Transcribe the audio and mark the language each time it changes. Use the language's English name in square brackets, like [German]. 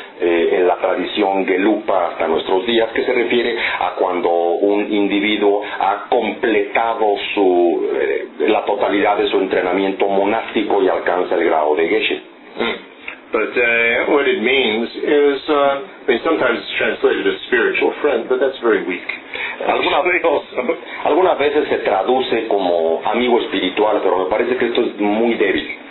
[Spanish] en la tradición Gelupa hasta nuestros días, que se refiere a cuando un individuo ha completado su la totalidad de su entrenamiento monástico y alcanza el grado de Geshe. [English] But what it means is, sometimes it's translated as spiritual friend, but that's very weak. [Spanish] Algunas veces se traduce como amigo espiritual, pero me parece que esto es muy débil.